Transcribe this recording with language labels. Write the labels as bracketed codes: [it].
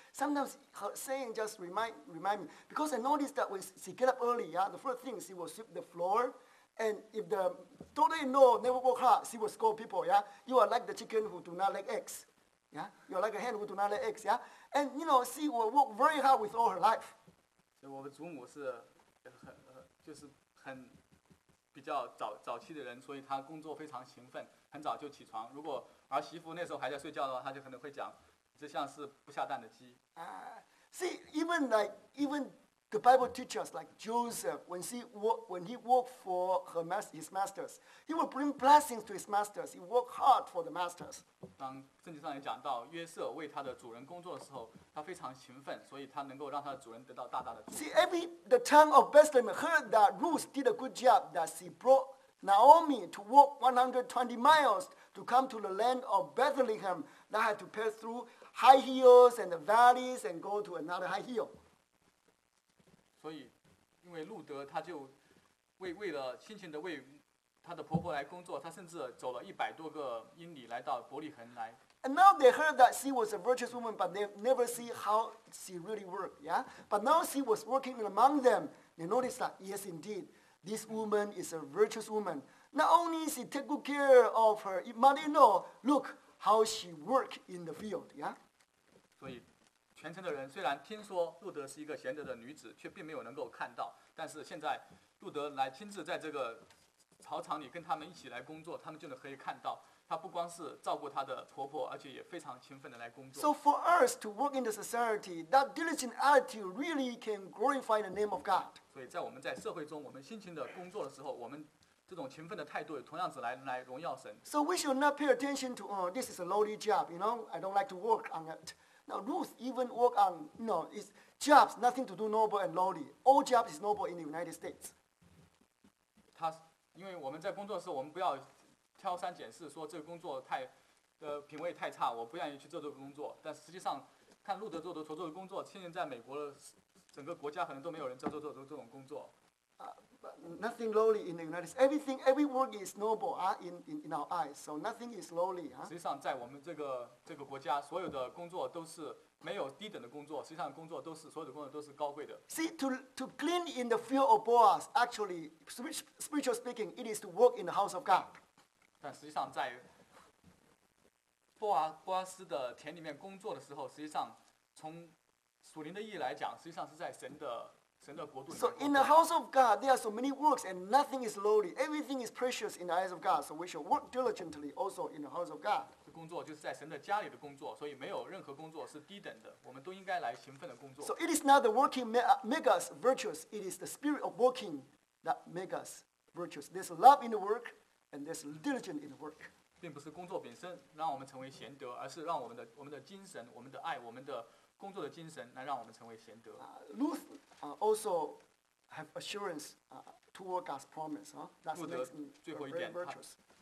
[en] Sometimes her saying just remind me because I noticed that when she get up early, yeah, the first thing she will sweep the floor, and if the daughter-in-law never work hard, she will scold people, yeah. You are like the chicken who do not lay eggs, yeah. You are like a hen who do not lay eggs, yeah. And you know she will work very hard with all her life. [zh] 我的祖母是就是很比较早期的人，所以她工作非常勤奋，很早就起床。如果儿媳妇那时候还在睡觉的话，她就可能会讲，这像是不下蛋的鸡。 [en] See, even the Bible teaches like Joseph, when he worked for his masters, he would bring blessings to his masters. He worked hard for the masters. [zh] 当圣经上也讲到约瑟为他的主人工作的时候，他非常勤奋，所以他能够让他的主人得到大大的祝福。 [en] See, the town of Bethlehem heard that Ruth did a good job, that she brought Naomi to walk 120 miles to come to the land of Bethlehem, that had to pass through high hills and the valleys and go to another high hill. [zh] 所以，因为路德他就为了辛勤的为他的婆婆来工作，他甚至走了100多个英里来到伯利恒来。 [en] And now they heard that she was a virtuous woman, but they never see how she really worked. Yeah. But now she was working among them. They noticed that yes, indeed, this woman is a virtuous woman. Not only she take good care of her mother-in-law, look how she worked in the field. Yeah. [zh] 所以，全城的人虽然听说路德是一个贤德的女子，却并没有能够看到。但是现在，路德来亲自在这个草场里跟他们一起来工作，他们就能可以看到。她不光是照顾她的婆婆，而且也非常勤奋地来工作。 [en] So for us to work in the society, that diligent attitude really can glorify the name of God. [zh] 所以在我们在社会中，我们辛勤地工作的时候，我们这种勤奋的态度也同样是来荣耀神。 [en] So we should not pay attention to, oh, this is a lowly job, you know, I don't like to work on it. Now Ruth even work on, you know, it's jobs, nothing to do noble and lowly. All jobs is noble in the United States. [zh] 她，因为我们在工作的时候，我们不要挑三拣四，说这个工作太，品位太差，我不愿意去做这个工作。但实际上，看路德做的所做的工作，现在在美国的整个国家，可能都没有人在做这种工作。 [en] Nothing lowly in the United States. Every work is noble, in our eyes. So nothing is lowly, huh? [zh] 实际上，在我们这个国家，所有的工作都是没有低等的工作。实际上，所有的工作都是高贵的。 [en] See, to glean in the field of Boaz, actually, spiritual speaking, it is to work in the house of God. [zh] 但实际上在波阿斯的田里面工作的时候，实际上从属灵的意义来讲，实际上是在神的国度里面。 [en] So in the house of God, there are so many works, and nothing is lowly. Everything is precious in the eyes of God. So we shall work diligently also in the house of God. [zh] 这工作就是在神的家里的工作，所以没有任何工作是低等的。我们都应该来勤奋的工作。 [en] So it is not the working make us virtuous. It is the spirit of working that makes us virtuous. There's love in the work. And there's diligence in the work. [zh] 并不是工作本身让我们成为贤德，而是让我们的精神、我们的爱、我们的工作的精神来让我们成为贤德。 [en] Ruth also have assurance toward God's promise. That's the next very virtuous.